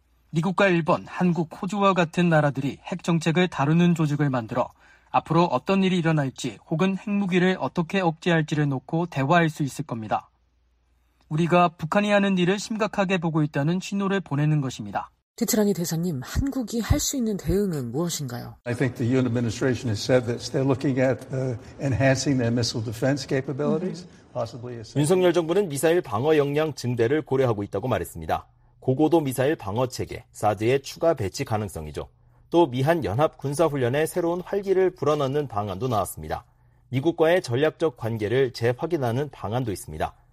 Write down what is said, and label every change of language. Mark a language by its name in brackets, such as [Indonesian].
[Korean] 미국과 일본, 한국, 호주와 같은 나라들이 핵정책을 다루는 조직을 만들어 앞으로 어떤 일이 일어날지 혹은 핵무기를 어떻게 억제할지를 놓고 대화할 수 있을 겁니다. 우리가 북한이 하는 일을 심각하게 보고 있다는 신호를 보내는 것입니다. 디트라니 대사님, 한국이 할 수 있는 대응은 무엇인가요? [English] I think the UN administration has said this. They're looking at enhancing their missile defense capabilities. Possibly. [Korean] 윤석열 정부는 미사일 방어 역량 증대를 고려하고 있다고 말했습니다. 고고도 미사일 방어 체계, 사드의 추가 배치 가능성이죠. 또 미한 연합 군사훈련에 새로운 활기를 불어넣는 방안도 나왔습니다. 미국과의 전략적 관계를 재확인하는 방안도 있습니다.